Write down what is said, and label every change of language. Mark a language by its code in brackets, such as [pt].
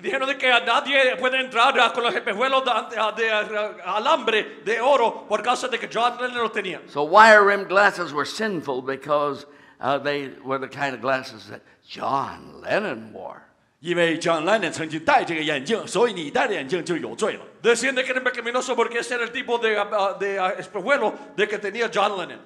[es] dijeron que a nadie puede entrar con los espejuelos de alambre de oro por causa de que John Lennon los tenía. [en] So wire-rimmed glasses were sinful because they were the kind of glasses that John Lennon wore. [zh] 因为 John Lennon 曾经戴这个眼镜，所以你戴的眼镜就有罪了。 [es] Decían que era pecaminoso porque ese era el tipo de espejuelo de que tenía John Lennon.